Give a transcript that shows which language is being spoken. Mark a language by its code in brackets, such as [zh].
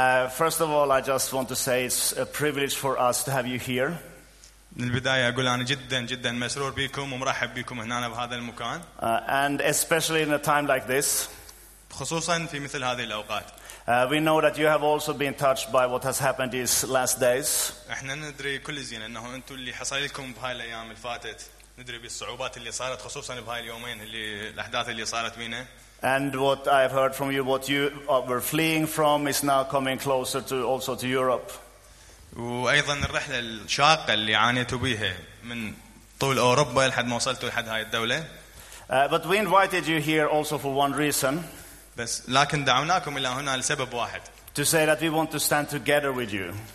[en] First of all, I just want to say it's a privilege for us to have you here. [ar] البداية أقول أنا جدا جدا مسرور بكم ومرحب بكم هنا بهذا المكان. [en] And especially in a time like this. [ar] خصوصا في مثل هذه الأوقات. [en] We know that you have also been touched by what has happened these last days. [ar] إحنا ندري كل زين إنه أنتم اللي حصل لكم بهاي الأيام الفاتت. ندري بالصعوبات اللي صارت خصوصا بهاي اليومين اللي الاحداث اللي صارت بينا. [en] And what I have heard from you, what you were fleeing from is now coming closer to also to Europe. [ar] وايضا الرحله الشاقه اللي عانيتوا بيها من طول اوروبا لحد ما وصلتوا لحد هاي الدوله. [en] But we invited you here also for one reason. [ar] بس لكن دعوناكم الى هنا لسبب واحد. [en] To say that we want to stand together with you.